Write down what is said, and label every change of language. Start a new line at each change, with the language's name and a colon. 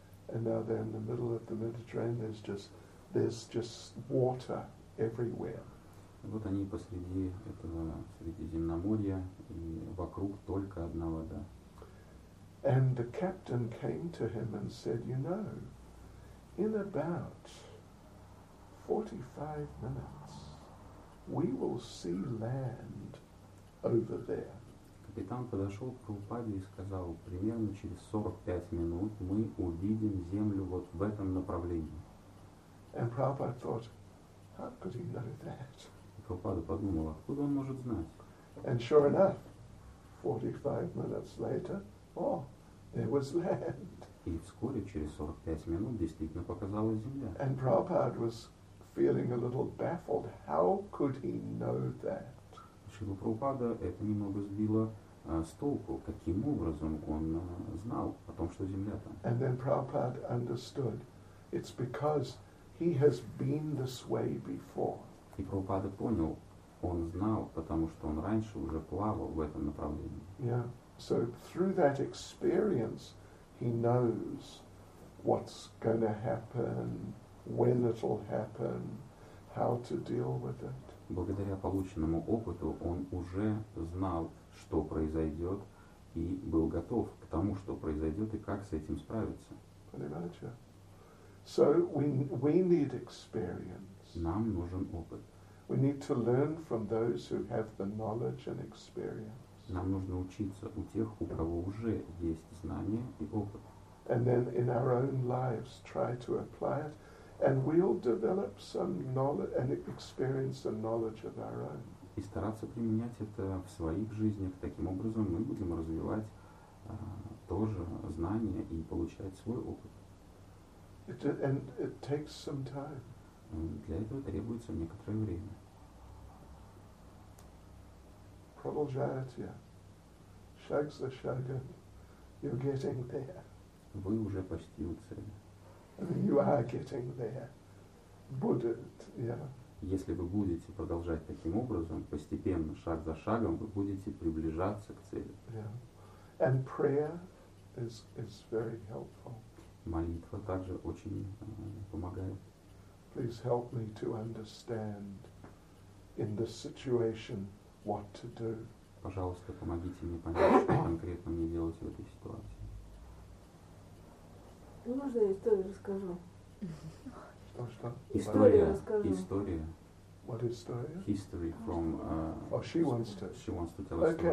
English: And now they're in the middle of the Mediterranean, there's just water everywhere.
Russian: Вот они посреди этого Средиземноморья, и вокруг только одна вода.
English: And the captain came to him and said, you know, in about 45 minutes, we will see land over there.
Russian: Капитан подошел к Прабхупаде и сказал, примерно через 45 минут мы увидим землю вот в этом направлении.
English: And Prabhupada thought, how could he know that?
Russian: И Прабхупада подумал, откуда он может знать?
English: And sure enough, 45 minutes later, oh, there was land.
Russian: И вскоре, через 45 минут, действительно показалась земля.
English: And Prabhupada was feeling a little baffled. How could he know that?
Russian: Шрила Прабхупада это немного сбило с толку, каким образом он знал о том, что земля там.
English: And then Prabhupada understood, it's because he has been this way before.
Russian: И Прабхупада понял, он знал, потому что он раньше уже плавал в этом направлении.
English: Yeah, so through that experience he knows what's going to happen, when it'll happen, how to deal with it.
Russian: Благодаря полученному опыту он уже знал, что произойдет, и был готов к тому, что произойдет, и как с этим справиться. Понимаете?
English: So we need experience.
Russian: Нам нужен опыт.
English: We need to learn from those who have the knowledge and experience.
Russian: Нам нужно учиться у тех, у кого уже есть знания и опыт.
English: And then in our own lives try to apply it. And we'll develop some knowledge and experience and knowledge of our own.
Russian: И стараться применять это в своих жизнях. Таким образом мы будем развивать тоже знания и получать свой опыт.
English: And it takes some time.
Russian: Для этого требуется некоторое время. Продолжайте. шаг за шагом,
English: you're getting there.
Russian: Вы уже почти у цели.
English: You are getting there.
Russian: Будет,
English: yeah.
Russian: Если вы будете продолжать таким образом, постепенно, шаг за шагом, вы будете приближаться к цели.
English: Yeah. And prayer is very helpful.
Russian: Молитва также очень помогает.
English: Please help me to understand in this situation what to do.
Russian: Пожалуйста, помогите мне понять, что конкретно мне делать в этой ситуации. Можно я историю расскажу? Что? История. История.
English: What is story? History from... Oh, she wants to. She wants to tell a story.